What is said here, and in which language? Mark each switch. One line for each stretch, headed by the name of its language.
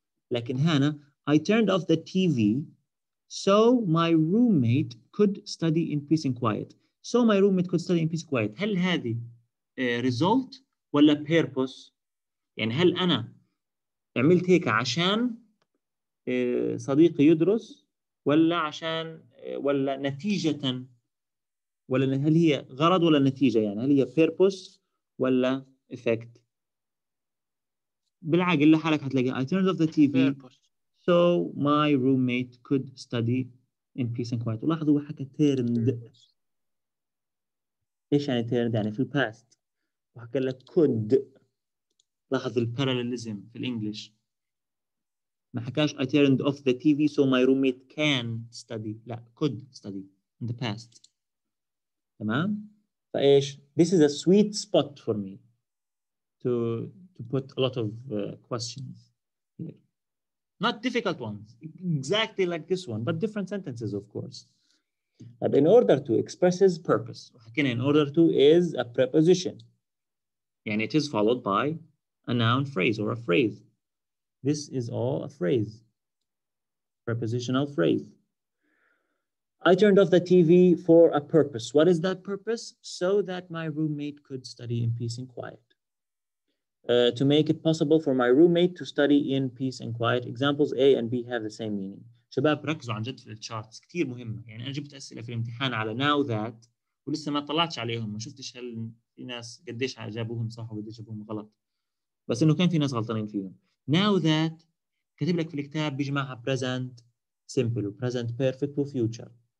Arabic: لكن هنا
English: I turned off the TV so my roommate could study in peace and quiet. So my roommate could study in peace and quiet.
Arabic: هل هذه result ولا purpose؟ يعني هل أنا عملت هيك عشان صديقي يدرس ولا عشان ولا نتيجة ولا هل هي غرض ولا نتيجة؟ يعني هل هي purpose ولا effect؟ بالعقل لحالك هتلاقي
English: I turned off the TV purpose. So my roommate could study in peace and quiet.
Arabic: ولاحظوا حكى turned. إيش يعني turned؟ يعني في الباست. وحكى لك could. لاحظ الparallelism في الإنجليش. ما حكاش
English: I turned off the TV so my roommate can study.
Arabic: لا
English: could study in the past.
Arabic: تمام؟ فإيش؟
English: This is a sweet spot for me to put a lot of questions here. Not difficult ones. Exactly like this one. But different sentences of course. But in order to expresses purpose.
Arabic: وحكينا
English: in order to is a preposition.
Arabic: يعني
English: it is followed by a noun phrase or a phrase. This is all a phrase. Prepositional phrase. I turned off the TV for a purpose. What is that purpose? So that my roommate could study in peace and quiet. To make it possible for my roommate to study in peace and quiet. Examples A and B have the same meaning.
Arabic: شباب ركزوا عن جد في الشارتس كتير مهمة. يعني أنا جبت أسئلة في الامتحان على now that ولسه ما طلعتش عليهم ما شفتش هل في ناس قديش جابوهم صح وقديش جابوهم غلط. بس إنه كان في ناس غلطانين فيهم.
English: Now that
Arabic: كتب لك في الكتاب بيجمعها
English: present simple present perfect
Arabic: و
English: future.